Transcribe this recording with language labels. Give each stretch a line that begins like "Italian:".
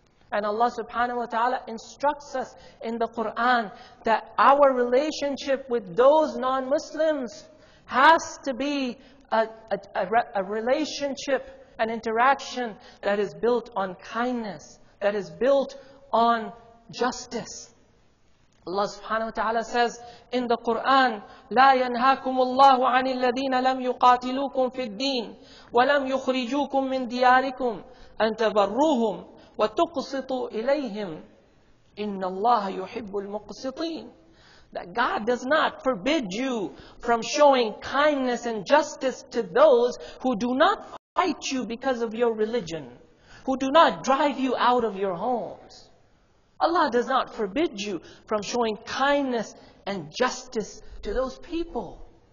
English: And Allah subhanahu wa ta'ala instructs us in the Qur'an that our relationship with those non-Muslims has to be a relationship, an interaction that is built on kindness, that is built on justice. Allah subhanahu wa ta'ala says in the Qur'an,
Arabic: لَا يَنْهَاكُمُ اللَّهُ عَنِ الَّذِينَ لَمْ يُقَاتِلُوكُمْ فِي الدِّينِ وَلَمْ يُخْرِجُوكُمْ مِنْ دِيَارِكُمْ أَنْ تَبَرُّوهُمْ وَتُقْسِطُوا إِلَيْهِمْ إِنَّ اللَّهَ يُحِبُّ الْمُقْسِطِينَ.
English: That God does not forbid you from showing kindness and justice to those who do not fight you because of your religion, who do not drive you out of your homes. Allah does not forbid you from showing kindness and justice to those people.